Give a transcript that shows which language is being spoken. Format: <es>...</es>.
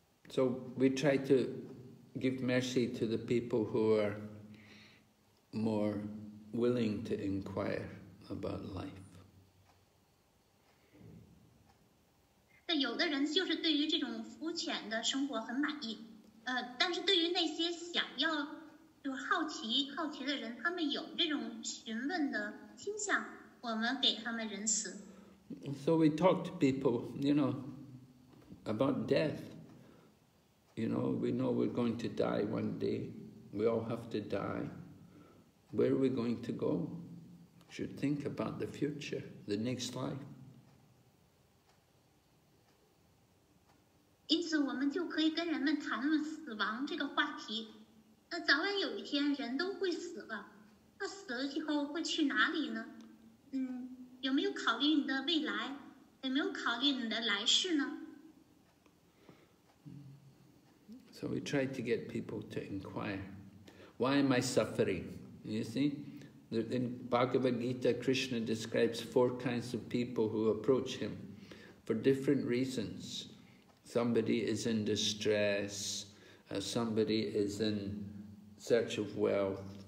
<en>So we try to give mercy to the people who are more willing to inquire about life.</en> <zh>但有的人就是对于这种肤浅的生活很满意，但是对于那些想要就好奇的人，他们有这种询问的倾向，我们给他们仁慈。</zh> <en>So we talk to people, you know, about death. You know, we know we're going to die one day. We all have to die. Where are we going to go? We should think about the future, the next life.</en> <zh>因此我们就可以跟人们谈论死亡这个话题。那早晚有一天人都会死了。那死了以后会去哪里呢？有没有考虑你的未来？有没有考虑你的来世呢？</zh> <en>So we try to get people to inquire. Why am I suffering? You see, in Bhagavad Gita, Krishna describes four kinds of people who approach him for different reasons. Somebody is in distress, somebody is in search of wealth.</en>